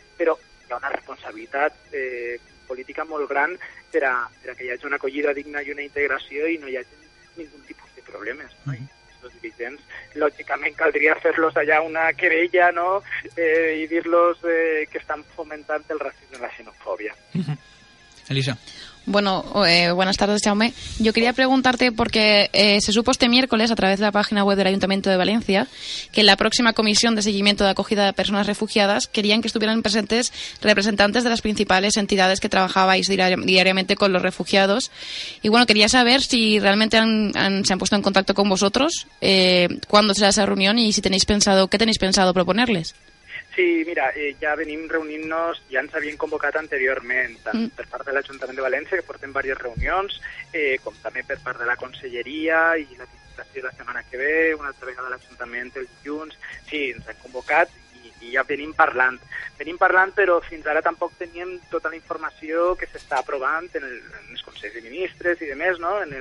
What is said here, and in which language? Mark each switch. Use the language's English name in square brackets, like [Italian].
[Catalan] Però hi ha una responsabilitat política molt gran per a que hi hagi una acollida digna i una integració i no hi hagi ningun tipus problemes, no? Aquests dirigents, lògicament, caldria fer-los allà una querella, no? I dir-los que estan fomentant el racisme i la xenofòbia. Uh-huh. Elisa. [Spanish] Bueno, buenas tardes, Jaume. Yo quería preguntarte porque se supo este miércoles a través de la página web del Ayuntamiento de Valencia que en la próxima comisión de seguimiento de acogida de personas refugiadas querían que estuvieran presentes representantes de las principales entidades que trabajabais diariamente con los refugiados. Y bueno, quería saber si realmente se han puesto en contacto con vosotros, cuándo será esa reunión y si tenéis pensado, qué tenéis pensado proponerles. [Catalan] Sí, mira, ja venim reunint-nos, ja ens havien convocat anteriorment, tant per part de l'Ajuntament de València, que portem diverses reunions, com també per part de la Conselleria i la Diputació la setmana que ve, una altra vegada l'Ajuntament, el dilluns. Sí, ens han convocat i ja venim parlant. Venim parlant, però fins ara tampoc teníem tota la informació que s'està aprovant en els Consells de Ministres i demés, no?